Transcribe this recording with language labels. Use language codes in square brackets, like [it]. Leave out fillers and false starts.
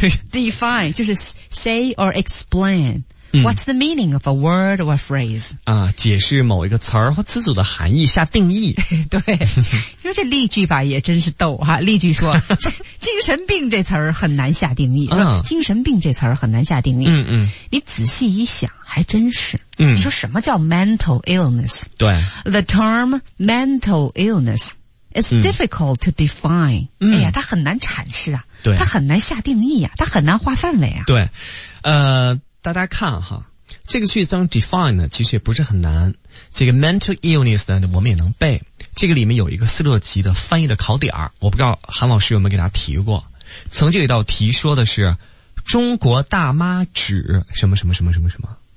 [en] define [zh] 就是 [en] say or explain、what's the meaning of a word or a phrase [zh] 啊，解释某一个词儿或词组的含义，下定义。对，因为这例句吧也真是逗哈、啊。例句说。精神病这词儿很难下定义、精神病这词儿很难下定义。你仔细一想还真是。你说什么叫 mental illness? 对。 [en] The term mental illness is difficult to define.、 [zh] 哎呀，它很难阐释啊。对。它很难下定义啊，它很难划范围啊。对。大家看哈，这个句子当 define 呢其实也不是很难。这个 mental illness 呢我们也能背。这个里面有一个斯洛吉的翻译的考点，我不知道韩老师有没有给大家提过。曾经有一道题说的是中国大妈指什么什么什么什么什么。